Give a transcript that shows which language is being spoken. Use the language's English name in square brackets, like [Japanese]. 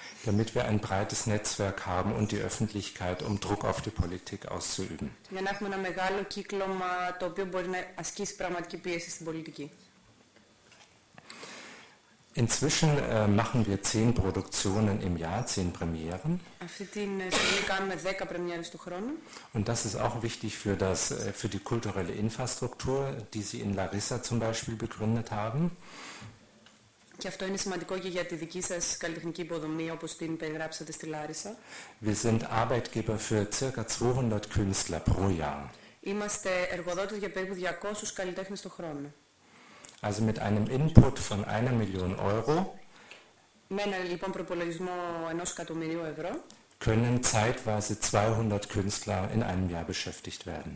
[German] Damit wir ein breites Netzwerk haben und die Öffentlichkeit, um Druck auf die Politik auszuüben. [Greek] Για να έχουμε ένα μεγάλο κύκλωμα το οποίο μπορεί να ασκήσει πραγματική πίεση στην πολιτική. [German] Inzwischen machen wir 10 Produktionen im Jahr, 10 Premieren. [Greek] Αυτή την στιγμή κάνουμε 10 Premieres του χρόνου. [German] Und das ist auch wichtig für, das, für die kulturelle Infrastruktur, die Sie in Larissa zum Beispiel begründet haben. [Greek] Και αυτό είναι σημαντικό και για τη δική σας καλλιτεχνική υποδομή, όπως την περιγράψατε στη Λάρισα. [German] Wir sind Arbeitgeber für ca. 200 Künstler pro Jahr. [Greek] Είμαστε εργοδότες για περίπου 200 καλλιτέχνες το χρόνο. [German] Also mit einem Input von 1 Million Euro. [Greek] Με ένα λοιπόν προϋπολογισμό 1 εκατομμυρίου ευρώ. [German] Können zeitweise 200 Künstler in einem Jahr beschäftigt werden.